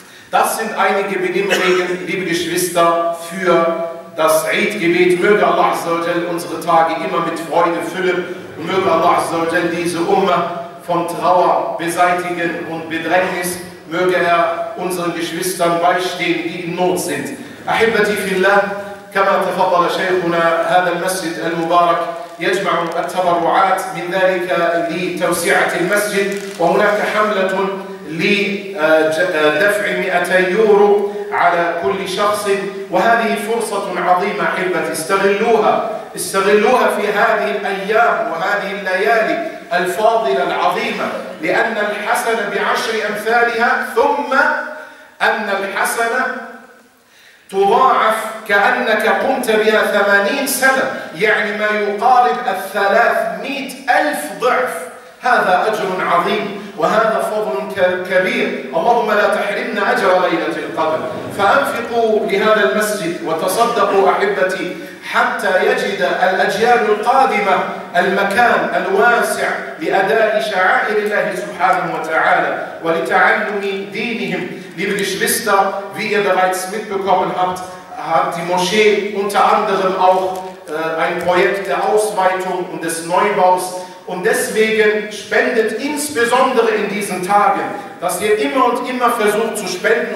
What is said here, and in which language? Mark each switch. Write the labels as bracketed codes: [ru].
[de] Das sind einige Benimmregeln, liebe Geschwister, für das Eidgebet. Möge Allah unsere Tage immer mit Freude füllen und möge Allah diese Umma von Trauer beseitigen und Bedrängnis, möge er unseren Geschwistern beistehen, die in Not sind. [ar] أحبتي في الله كما تفضل شيخنا هذا المسجد المبارك يجمع التبرعات من ذلك لتوسيعة المسجد وهناك حملة لدفع 200 يورو على كل شخص وهذه فرصة عظيمة أحبتي استغلوها في هذه الأيام وهذه الليالي الفاضلة العظيمة لأن الحسنة بعشر أمثالها ثم أن الحسنة تضاعف كأنك قمت بها 80 سنة يعني ما يقارب 300,000 ضعف هذا أجر عظيم وهذا فضل كبير اللهم لا تحرمنا أجر ليلة القدر فأنفقوا لهذا المسجد وتصدقوا أحبتي حتى يجد الأجيال القادمة المكان الواسع لأداء شعائر الله سبحانه وتعالى ولتعلم دينهم. [de] Liebe Geschwister, wie ihr bereits mitbekommen habt, hat die Moschee unter anderem auch ein Projekt der Ausweitung und des Neubaus. Und deswegen spendet insbesondere in diesen Tagen, dass ihr immer und immer versucht zu spenden.